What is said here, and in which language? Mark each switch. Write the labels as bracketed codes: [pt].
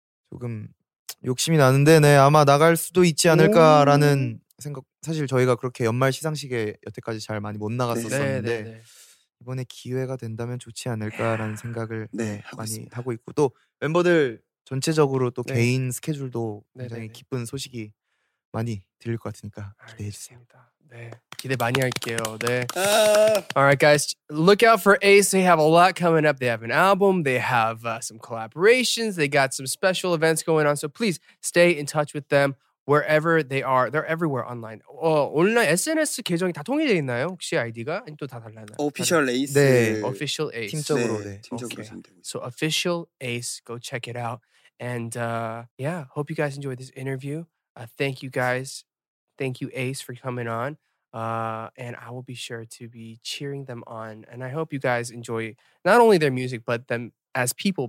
[ko] 조금 욕심이 나는데 네 아마 나갈 수도 있지 않을까라는 생각 사실 저희가 그렇게 연말 시상식에 여태까지 잘 많이 못 나갔었는데 네, 이번에 기회가 된다면 좋지 않을까라는 생각을 네, 많이 있습니다. 하고 있고 또 멤버들 전체적으로 또 네. 개인 스케줄도 굉장히 네네. 기쁜 소식이 많이 들릴 것 같으니까 기대해 주세요. 네 기대 많이 할게요. 네. [en] Alright guys, look out for Ace. They have a lot coming up. They have an album. They have some collaborations. They got some special events going on. So please stay in touch with them wherever they are. They're everywhere online. [ko] 온라인 SNS 계정이 다 통일돼 있나요? 혹시 아이디가 또 다 달라나요? [en] Official Ace. [ko] 네. [en] Official Ace. [ko] 팀적으로. 네. 팀적으로. [en] Okay. So Official Ace, go check it out. And yeah, hope you guys enjoyed this interview. Thank you guys. Thank you, Ace, for coming on. And I will be sure to be cheering them on. And I hope you guys enjoy not only their music, but them as people.